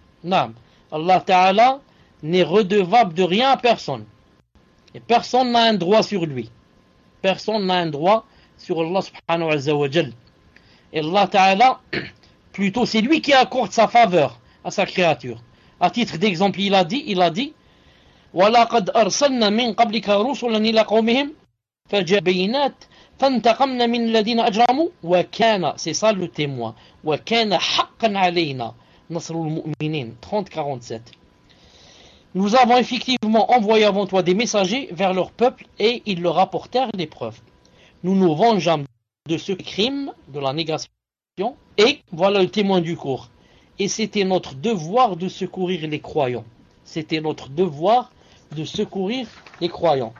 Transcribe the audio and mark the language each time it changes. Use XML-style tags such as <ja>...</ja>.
<fr>Non, Allah Ta'ala n'est redevable de rien à personne, et personne n'a un droit sur lui, personne n'a un droit sur Allah Subhanahu wa Jal. Et Allah Ta'ala, plutôt, c'est lui qui accorde sa faveur à sa créature. À titre d'exemple, il a dit</fr> <ar>وَلَقَدْ أَرْسَلْنَا مِنْ قَبْلِكَ رُسُلًا إِلَى قَوْمِهِمْ فَجَبَيْنَاتْ فَانْتَقَمْنَا مِنْ الَّذِينَ أَجْرَمُوا وَكَانَ,</ar> <fr>c'est ça le témoin,</fr> <ar>وَكَانَ حَقًّا عَلَيْنَا نَصْرُ الْمُؤْمِنِينَ 30-47.</ar> <fr>Nous avons effectivement envoyé avant toi des messagers vers leur peuple et ils leur apportèrent des preuves. Nous nous vengeâmes de ce crime, de la négation, et voilà le témoin du cours. Et c'était notre devoir de secourir les croyants. C'était notre devoir de secourir les croyants.</fr>